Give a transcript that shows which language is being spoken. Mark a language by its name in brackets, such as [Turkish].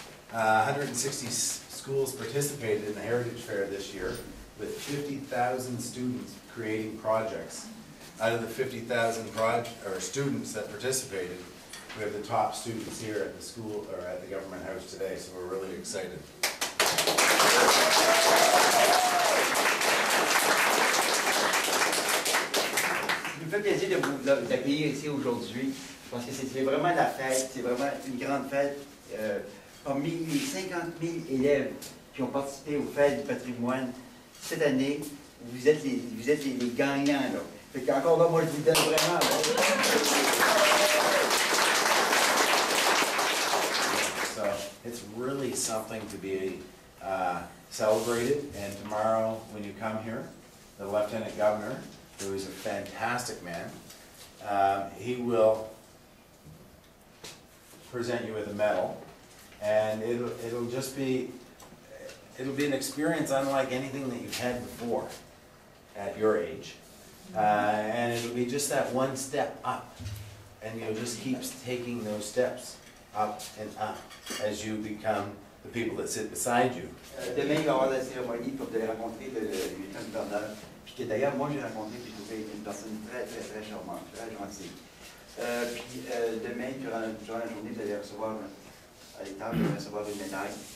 [English] 160 schools participated in the Heritage Fair this year, with 50,000 students creating projects. Out of the 50,000 students that participated, we have the top students here at the school or at the Government House today, so we're really excited. [French] Ça me fait plaisir de vous accueillir ici aujourd'hui parce que c'est vraiment la fête, c'est vraiment une grande fête. Parmi les 50 000 élèves qui ont participé aux fêtes du patrimoine cette année, vous êtes les gagnants. Là. Fait qu'encore là, moi je vous donne vraiment. Là. [English] So, it's really something to be celebrated. And tomorrow, when you come here, the Lieutenant Governor, who is a fantastic man, he will present you with a medal. And it'll be an experience unlike anything that you've had before at your age. And it'll be just that one step up. And you'll just keep taking those steps up and up as you become the people that sit beside you. [French] Demain, il va y avoir la cérémonie pour raconter le lieutenant gouverneur. Puis que d'ailleurs, moi, j'ai rencontré, puis je trouvais une personne très, très, très charmante, très gentille. Puis demain, durant la journée, vous allez recevoir, à l'étape, vous allez recevoir une médaille.